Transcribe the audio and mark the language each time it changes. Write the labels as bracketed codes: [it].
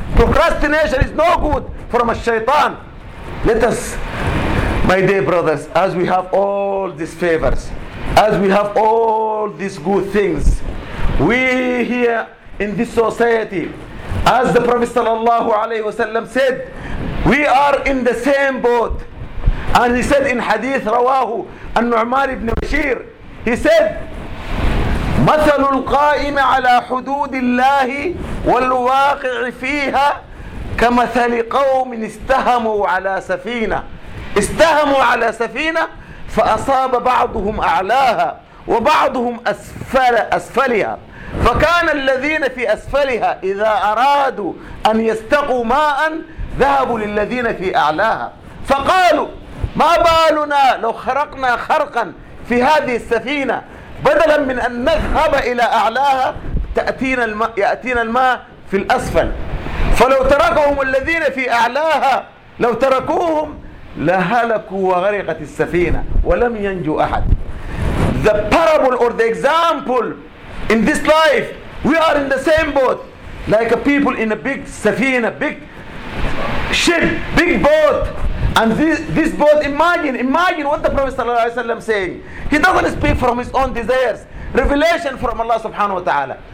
[en] Procrastination is no good from a shaitan. Let us, my dear brothers, as we have all these favors, as we have all these good things, we here in this society, as the Prophet sallallahu alayhi wa sallam said, we are in the same boat. And he said in hadith rawahu An-Nu'man ibn Bashir, he said, [ar] مثل القائم على حدود الله والواقع فيها كمثل قوم استهموا على سفينة استهموا على سفينة فأصاب بعضهم أعلاها وبعضهم أسفلها فكان الذين في أسفلها إذا أرادوا أن يستقوا ماء ذهبوا للذين في أعلاها فقالوا ما بالنا لو خرقنا خرقا في هذه السفينة بدلا من أن نذهب إلى أعلاها يأتينا الماء في الأسفل فلو تركهم الذين في أعلاها لو تركوهم لهلكوا وغرقت السفينة ولم ينجو أحد. [en] The parable or the example in this life, we are in the same boat like a people in a big safina, big ship, big boat. And this boat, imagine what the Prophet sallallahu alaihi wasallam saying. He doesn't speak from his own desires. Revelation from Allah subhanahu wa ta'ala.